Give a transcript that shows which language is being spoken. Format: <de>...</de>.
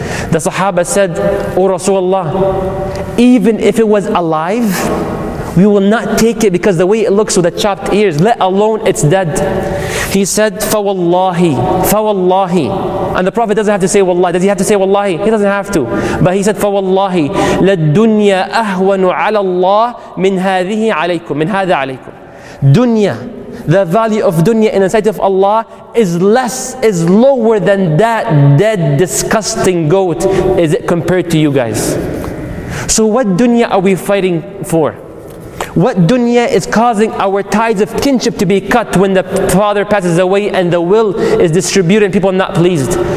<en>The Sahaba said, O Rasulullah, even if it was alive, we will not take it because the way it looks with the chopped ears, let alone it's dead.</en> <ar>He said, فَوَاللَّهِ فَوَاللَّهِ.</ar> <en>And the Prophet doesn't have to say wallahi. Does he have to say wallahi? He doesn't have to.</en> <ar>But he said, فَوَاللَّهِ لَدُّنْيَا أَهْوَنُ عَلَى اللَّهِ مِنْ هَذِهِ عَلَيْكُمْ مِنْ هَذَا عَلَيْكُمْ.</ar> <en>Dunya, the value of dunya in the sight of Allah is lower than that dead, disgusting goat. Is it compared to you guys? So what dunya are we fighting for? What dunya is causing our ties of kinship to be cut when the father passes away and the will is distributed and people are not pleased?</en>